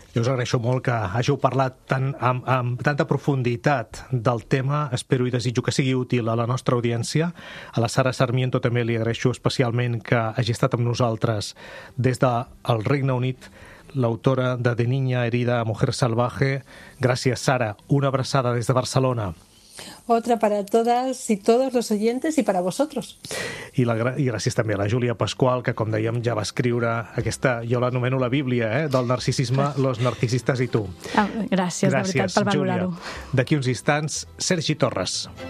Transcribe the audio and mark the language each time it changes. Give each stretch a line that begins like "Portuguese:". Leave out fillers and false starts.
Catalan: Jo us agraeixo molt que hàgiu parlat amb tanta profunditat del tema. Espero i desitjo que sigui útil a la nostra audiència. A la Sara Sarmiento també li agraeixo especialment que hagi estat amb nosaltres des del Regne Unit, l'autora de De niña herida a mujer salvaje. Gràcies, Sara. Una abraçada des de Barcelona.
Spanish: Otra para todas y todos los oyentes y para vosotros.
Catalan: I gràcies també a la Júlia Pascual, que com dèiem ja va escriure aquesta, jo l'anomeno la Bíblia, del narcisisme, los narcisistas y tú. Gràcies, de veritat, per valorar-ho. D'aquí uns instants, Sergi Torres.